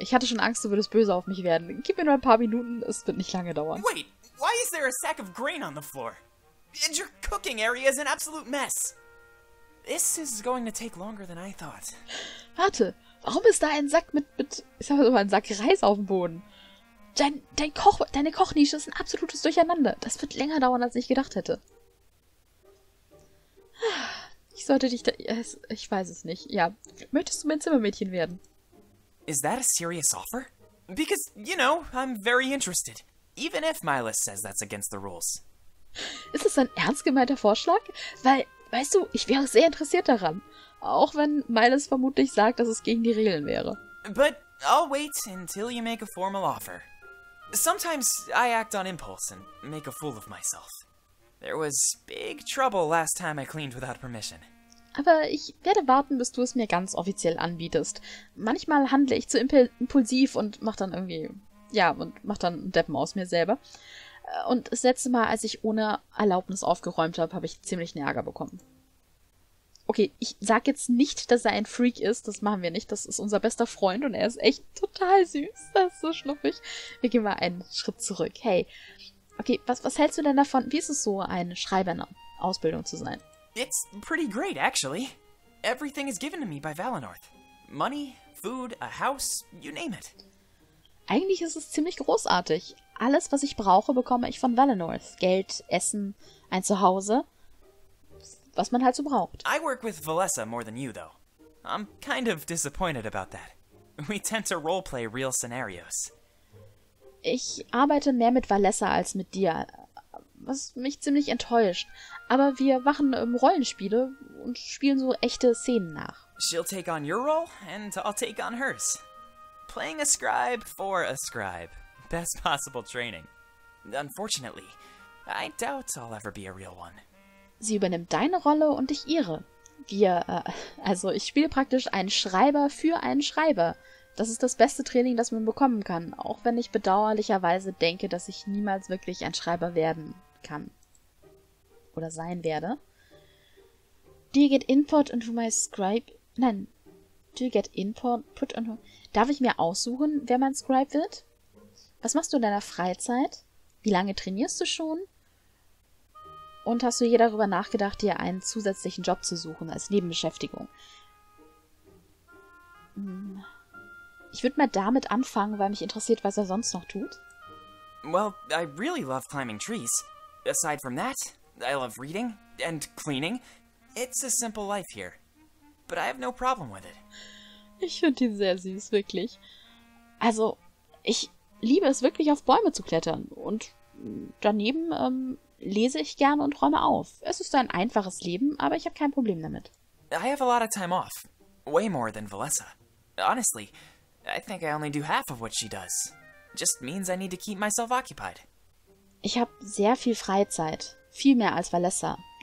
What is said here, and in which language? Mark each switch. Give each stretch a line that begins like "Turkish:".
German: Ich hatte schon Angst, du würdest böse auf mich werden. Gib mir nur ein paar Minuten, es wird nicht lange dauern.
English: Wait, why is there a sack of grain on the floor? And your cooking area is an absolute mess. This is going to take longer than I thought.
German: Warte. Warum ist da ein Sack mit ich sag mal, ein Sack Reis auf dem Boden? Deine Kochnische ist ein absolutes Durcheinander. Das wird länger dauern, als ich gedacht hätte. Ich sollte dich da... Ich weiß es nicht. Ja, möchtest du mein Zimmermädchen werden?
English: Is that a serious offer? Because, you know, I'm very interested. Even if Mylas says that's against the rules.
German: Ist das ein ernst gemeinter Vorschlag? Weil, weißt du, ich wäre sehr interessiert daran. Auch wenn Mylas vermutlich sagt, dass es gegen die Regeln wäre.
English: But I'll wait until you make a formal offer. Sometimes I act on impulse and make a fool of myself. There was big trouble last time I cleaned without permission.
German: Aber ich werde warten, bis du es mir ganz offiziell anbietest. Manchmal handle ich zu impulsiv und mach dann einen Deppen aus mir selber. Und das letzte Mal, als ich ohne Erlaubnis aufgeräumt habe, habe ich ziemlich einen Ärger bekommen. Okay, ich sag jetzt nicht, dass er ein Freak ist. Das machen wir nicht. Das ist unser bester Freund und er ist echt total süß. Das ist so schnuffig. Wir gehen mal einen Schritt zurück. Hey, okay, was hältst du denn davon? Wie ist es so, ein Schreiber in der Ausbildung zu sein?
English: It's pretty great, actually. Everything is given to me by Valinorth. Money, food, a house, you name it.
German: Eigentlich ist es ziemlich großartig. Alles, was ich brauche, bekomme ich von Valinorth. Geld, Essen, ein Zuhause. was man halt so braucht.
English: I work with Valessa more than you, though. I'm kind of disappointed about that. We tend to roleplay real scenarios.
German: Ich arbeite mehr mit Valessa als mit dir, was mich ziemlich enttäuscht. Aber wir machen Rollenspiele und spielen so echte Szenen nach.
English: She'll take on your role, and I'll take on hers. Playing a scribe for a scribe. Best possible training. Unfortunately, I doubt I'll ever be a real one.
German: Sie übernimmt deine Rolle und ich ihre. Also ich spiele praktisch einen Schreiber für einen Schreiber. Das ist das beste Training, das man bekommen kann, auch wenn ich bedauerlicherweise denke, dass ich niemals wirklich ein Schreiber werden kann. Oder sein werde.
English: Do you get input into my scribe? Nein. Do you get input? Put into...
German: Darf ich mir aussuchen, wer mein Scribe wird? Was machst du in deiner Freizeit? Wie lange trainierst du schon? Und hast du je darüber nachgedacht, dir einen zusätzlichen Job zu suchen als Nebenbeschäftigung? Ich würde mal damit anfangen, weil mich interessiert, was er sonst noch tut.
English: Well, I really love climbing trees. Aside from that, I love reading and cleaning. It's a simple life here. But I have no problem with it.
German: Ich finde ihn sehr süß, wirklich. Also, ich liebe es wirklich, auf Bäume zu klettern. Und daneben lese ich gerne und räume auf. Es ist ein einfaches Leben, aber ich habe kein Problem damit.
English: I have a lot of time off. Way more than Valessa. Honestly, I think I only do half of what she does. Just means I need to keep myself occupied.
German: Ich habe sehr viel Freizeit. Viel mehr als Valessa.